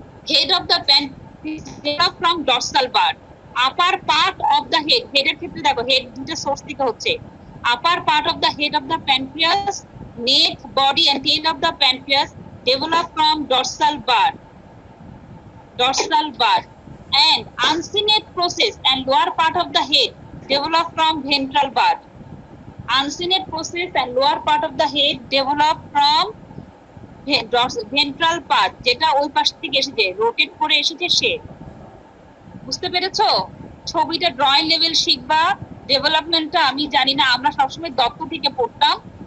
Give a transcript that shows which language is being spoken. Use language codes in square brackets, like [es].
[en] head of the pancreas from dorsal bud, upper part of the head, [bn] হেডের ক্ষেত্রে দেখো head দুটো source থেকে হচ্ছে, [en] Upper part of the head of the pancreas neck body and tail of the pancreas develop from dorsal bud dorsal bar and uncinate process and lower part of the head develop from ventral bar. Uncinate process and lower part of the head develop from ventral part, [bn] যেটা ওই পাশ থেকে এসেছে, rotate করে এসেছে সে। বুঝতে পেরেছো? ছবিটা drawing level শিখবা, ডেভেলপমেন্টটা আমি জানি না, আমরা সবসময় দত্ত থেকে পড়তাম।